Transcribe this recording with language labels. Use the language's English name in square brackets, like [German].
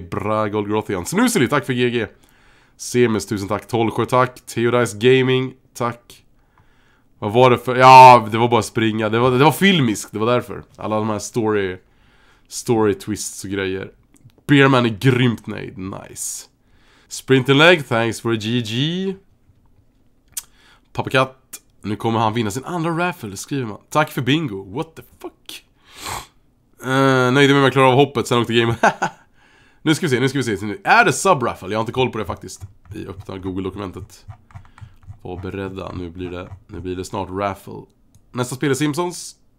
[Swedish] Bra Gold Grothian. Snuseli, tack för GG. Semis, tusen tack. Tolsjö, tack. Theodice Gaming, tack. Vad var det för... Ja, det var bara springa. Det var filmiskt, det var därför. Alla de här story twists och grejer. Beerman är grymt nöjd, nice. [English] Sprint and Leg, thanks for a GG. [Swedish] Pappakatt, nu kommer han vinna sin andra raffle, skriver man. Tack för bingo, [English] what the fuck. [Swedish] Nöjd med mig att klara av hoppet, sen åkte game. Nu ska vi se. Är det sub-raffle? Jag har inte koll på det faktiskt. Vi öppnar Google-dokumentet. Var beredda, nu blir det snart raffle. Nästa spel är Simpsons.